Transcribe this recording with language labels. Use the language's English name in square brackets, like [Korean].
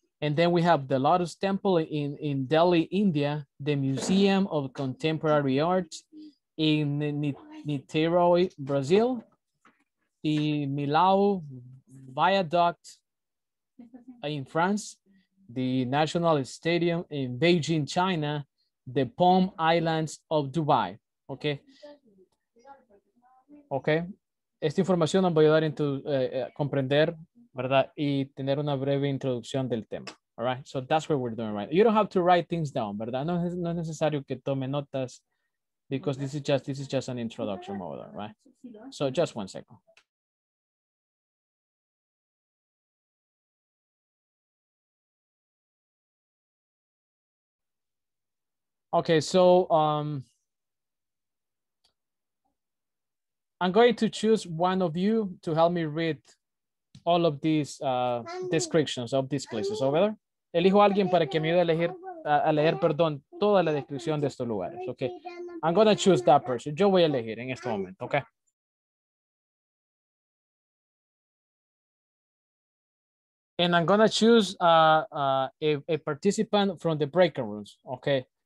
[English] And then we have the Lotus Temple in Delhi, India, the Museum of Contemporary Art in Niterói, Brazil, the Milau Viaduct in France, the National Stadium in Beijing, China, the Palm Islands of Dubai. Okay. Ok. [Spanish] Esta información nos va a ayudar a comprender, ¿verdad? Y tener una breve introducción del tema. [English] All right. So that's what we're doing, right? You don't have to write things down, ¿verdad? [Spanish] No es necesario que tome notas [English] because this is just an introduction model, right? So just one second. Okay, so I'm going to choose one of you to help me read all of these descriptions of these places over there. [Spanish] Elijo a alguien para que me ayude a leer, toda la descripción de estos lugares, okay? [English] I'm going to choose that person. [Spanish] Yo voy a elegir en este momento, okay? [English] And I'm going to choose a participant from the breaking rooms, okay?